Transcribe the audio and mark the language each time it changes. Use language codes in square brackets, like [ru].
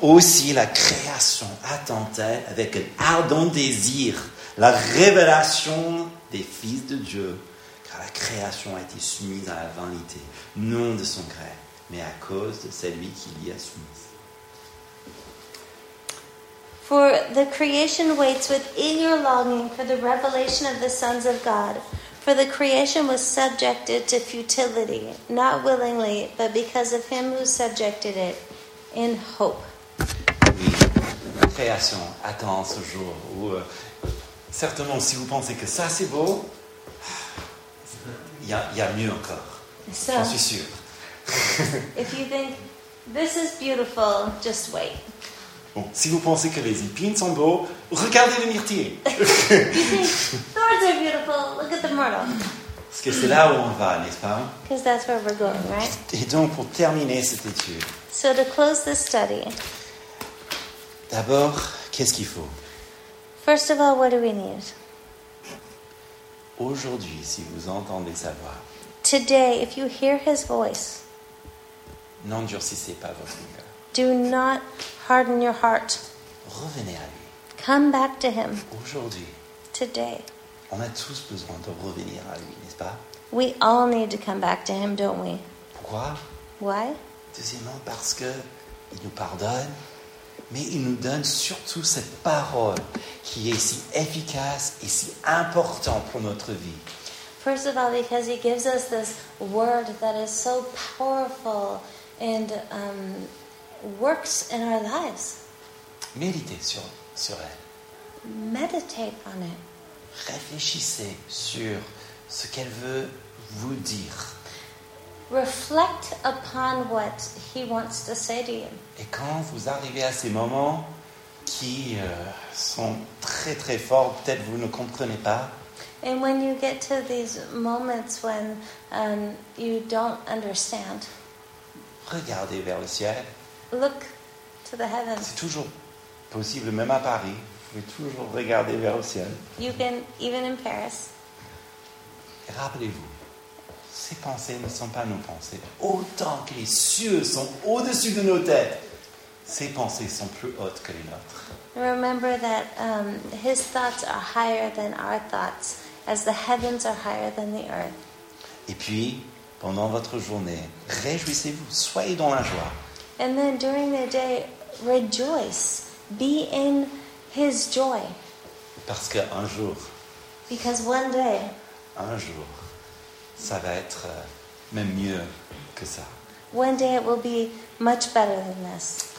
[fr] Aussi la création attendait avec un ardent désir la révélation des fils de Dieu, car la création a été soumise à la vanité, non de son gré, mais à cause de celui qui l'y a soumise. [en] For the creation waits with eager longing for the revelation of the sons of God. For the creation was subjected to futility, not willingly, but because of him who subjected it, in hope. [fr] Oui, la création attend ce jour où, certainement, si vous pensez que ça c'est beau, il y a mieux encore. [en] So, [fr] j'en suis sûr. [en] If you think this is beautiful, just wait. [fr] Bon, si vous pensez que les épines sont beaux, regardez les myrtilles. [en] Thorns are beautiful. Look at the myrtle. [fr] Parce que c'est là où on va, n'est-ce pas? [en] Because that's where we're going, right? [fr] Et donc, pour terminer cette étude. [en] So to close this study. [fr] D'abord, qu'est-ce qu'il faut? [en] First of all, what do we need? [fr] Aujourd'hui, si vous entendez sa voix. [en] Today, if you hear his voice. [fr] N'endurcissez pas votre cœur. [en] Do not harden your heart. [fr] Revenez à lui. [en] Come back to him. [fr] Aujourd'hui. [en] Today. [fr] On a tous besoin de revenir à lui, n'est-ce pas? [en] We all need to come back to him, don't we? [fr] Pourquoi? [en] Why? [fr] Deuxièmement, parce que il nous pardonne, mais il nous donne surtout cette parole qui est si efficace et si importante pour notre vie. [en] First of all, because he gives us this word that is so powerful and works in our lives. [fr] Méditez sur elle. [en] Meditate on it. [fr] Réfléchissez sur ce qu'elle veut vous dire. [en] reflect upon what he wants to say to you. [fr] Et quand vous arrivez à ces moments qui sont très très forts, peut-être vous ne comprenez pas. [en] And when you get to these moments when you don't understand, [fr] regardez vers le ciel. [en] Look to the heavens. [fr] C'est toujours possible, même à Paris. Vous pouvez toujours regarder vers le ciel. [en] You can, even in Paris. [fr] Rappelez-vous, ces pensées ne sont pas nos pensées. Autant que les cieux sont au-dessus de nos têtes, ces pensées sont plus hautes que les nôtres. [en] Remember that his thoughts are higher than our thoughts, as the heavens are higher than the earth. [fr] Et puis, pendant votre journée, réjouissez-vous, soyez dans la joie. [en] And then during the day, rejoice, be in his joy. [fr] Parce qu'un jour, [en] because one day, [fr] un jour, ça va être même mieux que ça. [en] One day it will be much better than this.